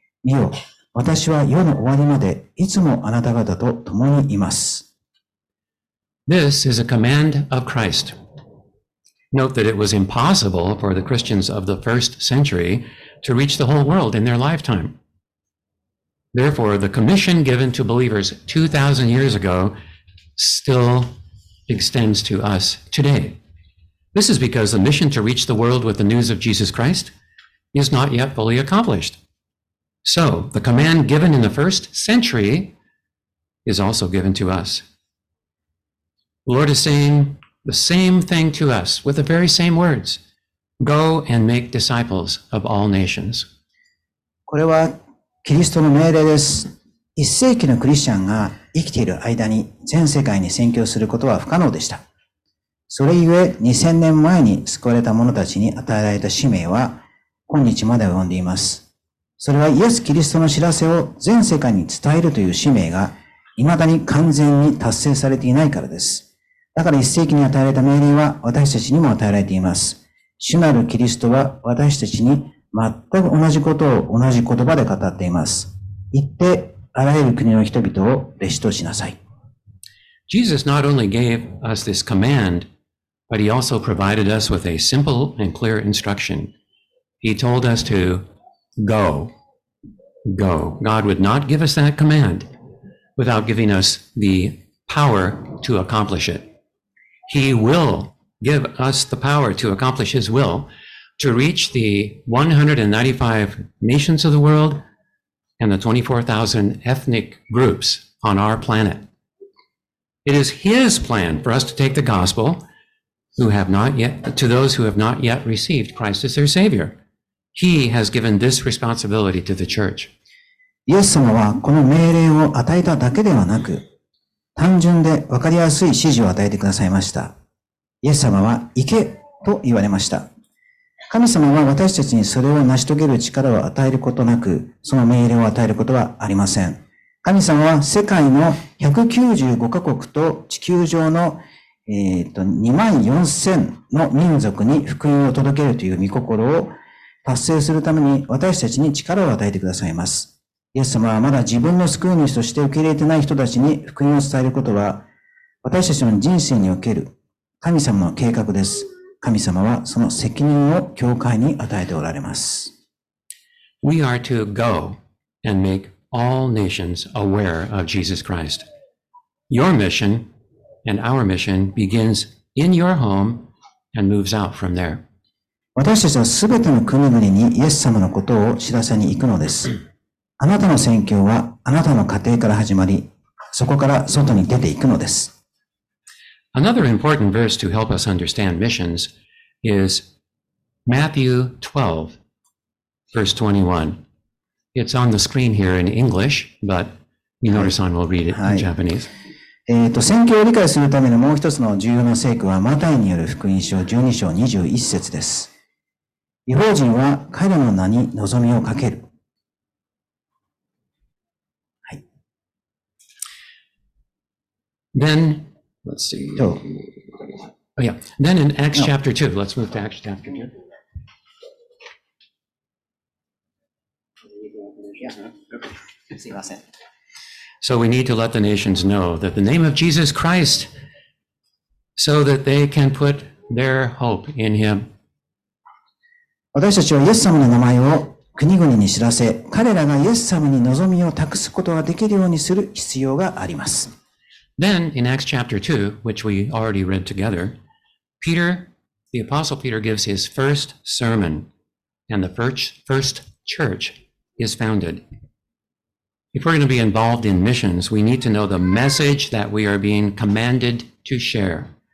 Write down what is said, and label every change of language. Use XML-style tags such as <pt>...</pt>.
<ja>見よ、私は世の終わりまでいつもあなた方と共にいます。</ja> <en>This is a command of Christ. Note that it was impossible for the Christians of the first century to reach the whole world in their lifetime. Therefore, the commission given to believers 2,000 years ago still extends to us today. This is because the mission to reach the world with the news of Jesus Christ is not yet fully accomplished. So the command given in the first century is also given to us. The Lord is saying the same thing to us with the very same words. Go and make disciples of all nations.</en> <ja>これはキリストの命令です。一世紀のクリスチャンが生きている間に全世界に宣教することは不可能でした。それゆえ2000年前に救われた者たちに与えられた使命は今日まで及んでいます。それはイエス・キリストの知らせを全世界に伝えるという使命が未だに完全に達成されていないからです。だから一世紀に与えられた命令は私たちにも与えられています。主なるキリストは私たちに全く同じことを同じ言葉で語っています。言って、あらゆる国の人々を弟子としなさい。</ja> <en>Jesus not only gave us this command, but he also provided us with a simple and clear instruction. He told us to go. Go. God would not give us that command without giving us the power to accomplish it. He will give us the power to accomplish his will, to reach the 195 nations of the world and the 24,000 ethnic groups on our planet. It is his plan for us to take the gospel to those who have not yet received Christ as their Savior. He has given this responsibility to the church.</en> <ja>イエス様はこの命令を与えただけではなく、単純で分かりやすい指示を与えてくださいました。イエス様は行けと言われました。神様は私たちにそれを成し遂げる力を与えることなく、その命令を与えることはありません。神様は世界の195カ国と地球上の24,000の民族に福音を届けるという御心を達成するために私たちに力を与えてくださいます。イエス様はまだ自分の救い主として受け入れてない人たちに福音を伝えることは、私たちの人生における神様の計画です。神様はその責任を教会に与えておられます。</ja> <en>We are to go and make all nations aware of Jesus Christ. Your mission and our mission begins in your home and moves out from there.</en> <ja>私たちはすべての国々にイエス様のことを知らせに行くのです。あなたの宣教はあなたの家庭から始まり、そこから外に出ていくのです。</ja> <en>Another important verse to help us understand missions is Matthew 12, verse 21. It's on the screen here in English, but Minoru-san will read it in Japanese.</en> <ja>宣教を理解するためのもう一つの重要な聖句は、マタイによる福音書12章21節です。異邦人は彼らの名に望みをかける。はい。</ja> <en>Then,Let's see. Oh, yeah. Then in Acts chapter 2, let's move to Acts chapter 2. So we need to let the nations know that the name of Jesus Christ, so that they can put their hope in him.</en> <ja>私たちはイエス様の名前を国々に知らせ、彼らがイエス様に望みを託すことができるようにする必要があります。</ja> <en>Then in Acts chapter 2, which we already read together, Peter, the Apostle Peter, gives his first sermon, and the first church is founded. If we're going to be involved in missions, we need to know the message that we are being commanded to share.</en>